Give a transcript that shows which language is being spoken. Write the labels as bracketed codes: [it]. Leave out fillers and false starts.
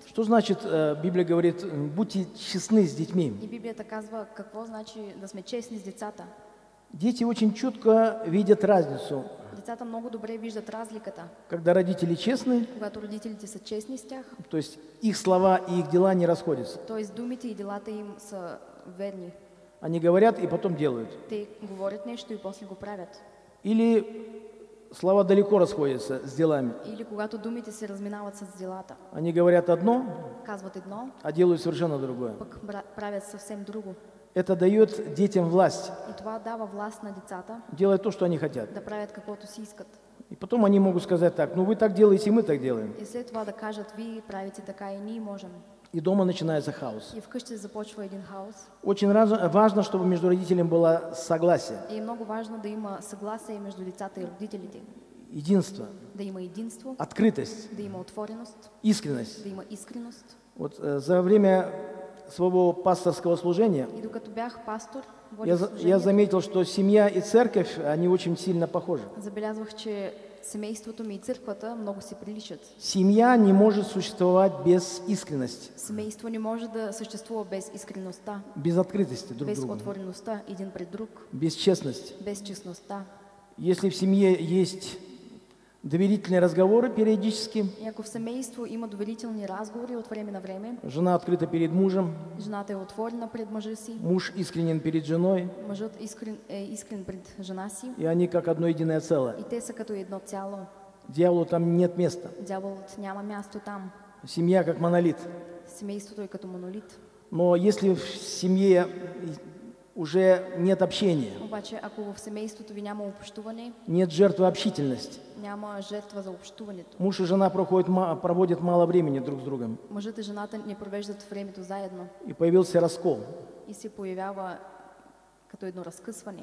[ru] Что значит, Библия говорит, будьте честны с детьми. [bg] И Библията казва, какво значи да сме честни с децата. [ru] Дети очень чутко видят разницу. [bg] Децата много добре виждат разликата. [ru] Когда родители честны, [bg] когато родителите са честни с тях, [ru] то есть их слова и их дела не расходятся. [bg] То есть думите и делата им са верни. [ru] Они говорят и потом делают. [bg] Те говорят нечто и после го правят. [ru] Или слова далеко расходятся с делами. [bg] Или когато думите се разминават с делата. [ru] Они говорят одно, [bg] казват едно, [ru] а делают совершенно другое. [bg] Пък правят совсем друго. [ru] Это дает детям власть. [bg] И това дава власт на децата. [ru] Делать то, что они хотят. [bg] Да правят каквото си искат. [ru] И потом они могут сказать так: ну вы так делаете, мы так делаем. [bg] И след това да кажат: ви правите така и ние можем. [ru] И дома начинается хаос. [bg] И вкъщи започва един хаос. [ru] Очень важно, чтобы между родителями было согласие. [bg] И много важно да има съгласие между децата и родителите. [ru] Единство. [bg] Да има единство. [ru] Открытость. [bg] Да има отвореност. [ru] Искренность. [bg] Да има искреност. [ru] Вот за время своего пасторского служения, [bg] и докато бях пастор, [ru] я заметил, что семья и церковь, они очень сильно похожи. [bg] Забелязвах, че семейството ми и църквата много си приличат. [ru] Семья не может существовать без искренности. [bg] Семейство не може да съществува без искренността. [ru] Без открытости друг [bg] без [ru] другу. [bg] Без отвореността един пред друг. [ru] Без честности. [bg] Без честността. [ru] Если в семье есть доверительные разговоры периодически. [bg] И ако в семейство има доверителни разговори от време на време. [ru] Жена открыта перед мужем. [bg] Жената е отворена пред мъжа си. [ru] Муж искренен перед женой. [bg] Мъжът е искрен пред жена си. [ru] И они как одно единое целое. [bg] И те са като едно цяло. [ru] Дяволу там нет места. [bg] Дяволът няма място там. [ru] Семья как монолит. [bg] Семейството е като монолит. [ru] Но если в семье уже нет общения. [bg] Обаче, ако в семейството ви няма общуване, [ru] нет жертвы общительности. [bg] Няма жертва за общуването. [ru] Муж и жена проводят мало времени друг с другом. [bg] Мъжът и жената не провеждат времето заедно. [ru] И появился раскол. [bg] И се появява като едно разкъсване.